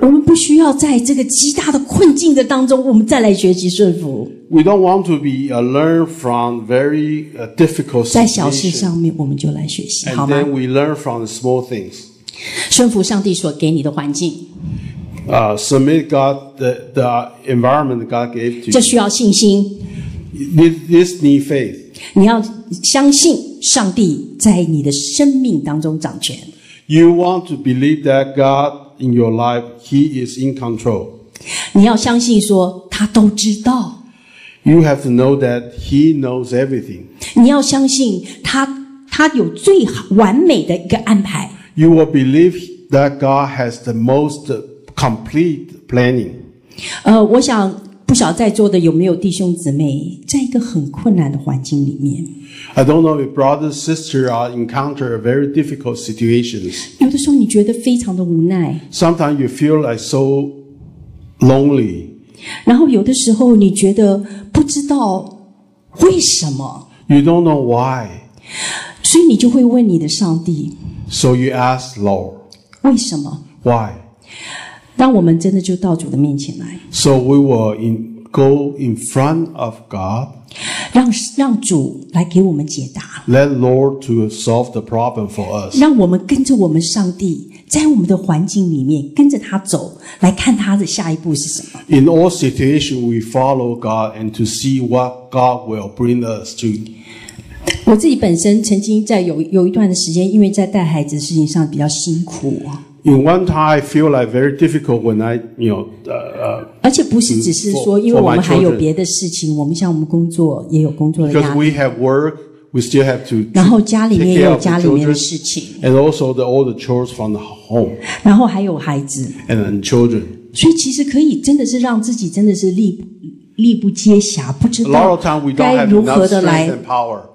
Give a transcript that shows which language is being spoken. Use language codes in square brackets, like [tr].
[zh] 我们不需要在这个极大的困境的当中，我们再来学习顺服。 [en] We don't want to be learn from very difficult situations. [zh] 在小事上面，我们就来学习，好吗 [en] ？And then we learn from the small things. [zh] 顺服上帝所给你的环境。 [en] Submit God the environment God gave to you. [zh] 这需要信心。 [en] This need faith. [zh] 你要相信上帝在你的生命当中掌权。 [en] You want to believe that God in your life, He is in control. [zh] 你要相信说他都知道。 [en] You have to know that He knows everything. [zh] 你要相信他有最完美的一个安排。 [en] You will believe that God has the most complete planning. [zh] 我想不晓在座的有没有弟兄姊妹在一个很困难的环境里面。 [en] I don't know if brothers and sisters are encounter a very difficult situations. [zh] 有的时候你觉得非常的无奈。 [en] Sometimes you feel like so lonely. [zh] 然后有的时候你觉得不知道为什么。 [en] You don't know why. [zh] 所以你就会问你的上帝。 [en] So you ask Lord. [zh] 为什么 [en] ？Why? [zh] 当我们真的就到主的面前来。 [en] So we will go in front of God. [zh] 让主来给我们解答。 [en] Let Lord to solve the problem for us. [zh] 让我们跟着我们上帝在我们的环境里面跟着他走，来看他的下一步是什么。 [en] In all situation, we follow God and to see what God will bring us to. [zh] 我自己本身曾经在有一段的时间，因为在带孩子的事情上比较辛苦。 [en] In one time, I feel like very difficult when I, you know, [zh] 而且不是只是说，因为我们还有别的事情，我们像我们工作也有工作的压力。 [en] Because we have work, we still have to. [zh] 然后家里面也有家里面的事情。 [en] And also all the chores from the home. [zh] 然后还有孩子。 [en] And then children. [zh] 所以其实可以真的是让自己真的是力不接暇，不知道。 [en] A lot of time we don't have enough strength and power.